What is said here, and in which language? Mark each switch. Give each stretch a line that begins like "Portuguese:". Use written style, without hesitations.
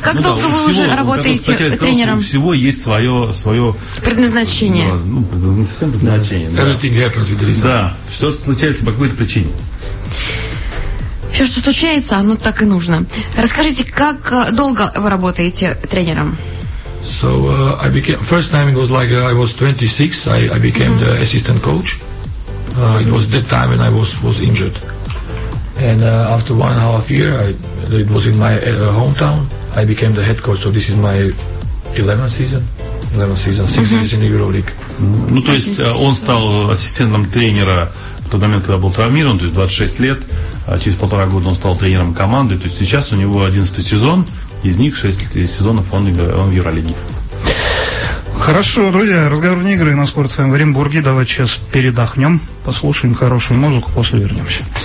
Russian: А как долго вы уже работаете тренером? У всего есть свое... Предназначение. Ну, не совсем предназначение. Да, все случается по какой-то причине. Все, что случается, оно так и нужно. Расскажите, как долго вы работаете тренером?
English: So I became first time it was like I was 26. I became the assistant coach. It was that time when I was injured. And after 1.5 years, it was in my hometown. I became the head coach. So this is my 11th season, sixth season in EuroLeague.
Russian: Ну то есть он стал ассистентом тренера в тот момент, когда был травмирован, то есть 26 лет. Через полтора года он стал тренером команды. То есть сейчас у него 11 сезон. Из них 6 сезонов он в Евролиге. Хорошо, друзья, разговор не игры на Sport FM в Оренбурге. Давайте сейчас передохнем, послушаем хорошую музыку, после вернемся.